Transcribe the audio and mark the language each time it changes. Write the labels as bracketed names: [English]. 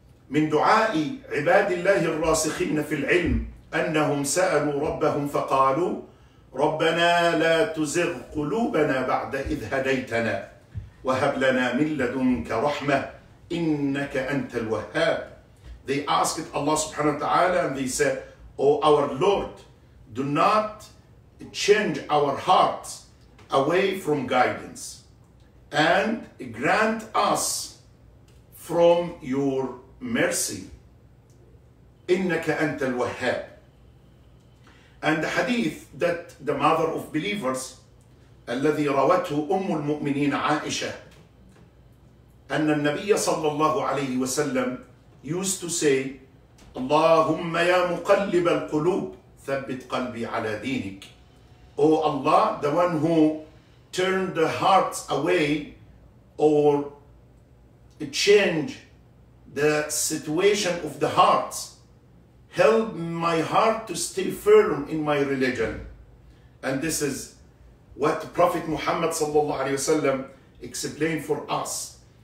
[Arabic] من دعاء عباد الله الراسخين في العلم أنهم سألوا ربهم فقالوا ربنا لا تزغ قلوبنا بعد إذ هديتنا وهب لنا من لدنك رحمة إنك أنت الوهاب. [English] They asked Allah subhanahu wa ta'ala and they said, O our Lord, do not change our hearts away from guidance and grant us from your mercy. [Arabic] إنك أنت الوهاب. [English] And the hadith that the mother of believers, [Arabic] الذي روته أم المؤمنين عائشة, أن النبي صلى الله عليه وسلم [English] used to say, [Arabic] اللهم يا مقلب القلوب ثبت قلبي على دينك. [English] Oh Allah, the one who turned the hearts away or changed the situation of the hearts, help my heart to stay firm in my religion. And this is what Prophet Muhammad sallallahu alayhi wasallam explained for us.